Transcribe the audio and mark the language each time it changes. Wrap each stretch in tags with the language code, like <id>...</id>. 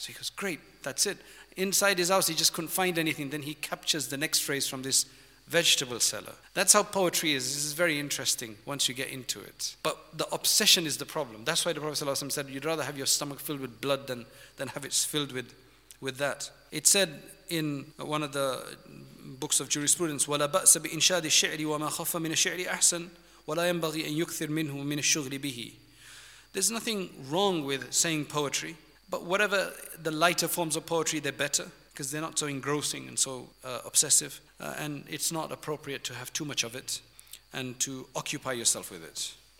<en>So he goes, great, that's it. Inside his house, he just couldn't find anything. Then he captures the next phrase from this vegetable seller. That's how poetry is. This is very interesting once you get into it. But the obsession is the problem. That's why the Prophet ﷺ said, you'd rather have your stomach filled with blood than have it filled with that. It said in one of the books of jurisprudence,</en> <ar>وَلَا بَأْسَ بِإِنْشَادِ الشِّعْرِ وَمَا خَفَّ مِنَ الشِّعْرِ أَحْسَنِ وَلَا يَنْبَغِي أَنْ يُكْثِرْ مِنْهُ مِنَ الشُّغْلِ بِهِ.</ar> <en>There's nothing wrong with saying poetry, but whatever the lighter forms of poetry, they're better because they're not so engrossing and so obsessive, and it's not appropriate to have too much of it and to occupy yourself with it.</en>